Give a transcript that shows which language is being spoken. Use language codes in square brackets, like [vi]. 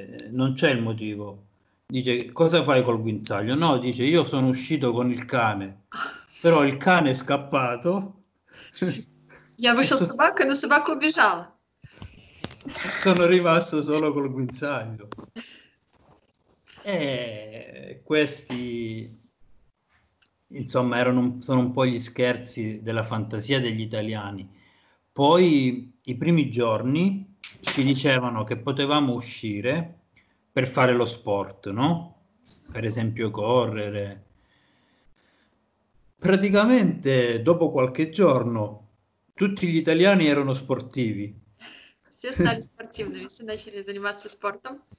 [it] Non c'è il motivo. Dice: cosa fai col guinzaglio? No, dice: io sono uscito con il cane, però il cane è scappato [ru] Я вышел с собакой, но собака убежала. [it] sono rimasto solo col guinzaglio. E questi, insomma, sono un po' gli scherzi della fantasia degli italiani. Poi, i primi giorni, ci dicevano che potevamo uscire per fare lo sport, no? Per esempio correre. Praticamente dopo qualche giorno tutti gli italiani erano sportivi. Tutti [ru] Все стали спортивными, все начали заниматься спортом.